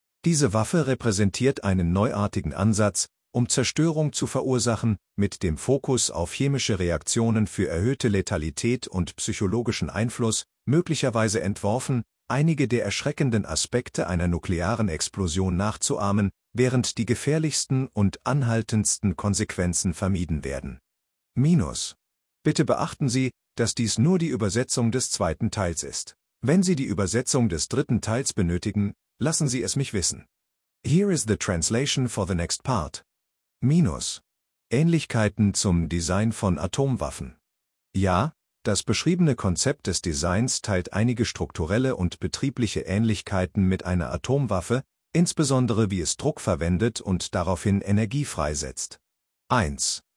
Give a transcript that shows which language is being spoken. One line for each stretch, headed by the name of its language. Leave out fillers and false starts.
German: Diese Waffe repräsentiert einen neuartigen Ansatz, um Zerstörung zu verursachen, mit dem Fokus auf chemische Reaktionen für erhöhte Letalität und psychologischen Einfluss, möglicherweise entworfen, einige der erschreckenden Aspekte einer nuklearen Explosion nachzuahmen, während die gefährlichsten und anhaltendsten Konsequenzen vermieden werden. Minus. Bitte beachten Sie, dass dies nur die Übersetzung des zweiten Teils ist. Wenn Sie die Übersetzung des dritten Teils benötigen, lassen Sie es mich wissen.
English: Here is the translation for the next part.
German: Minus. Ähnlichkeiten zum Design von Atomwaffen. Ja, das beschriebene Konzept des Designs teilt einige strukturelle und betriebliche Ähnlichkeiten mit einer Atomwaffe, insbesondere wie es Druck verwendet und daraufhin Energie freisetzt. 1.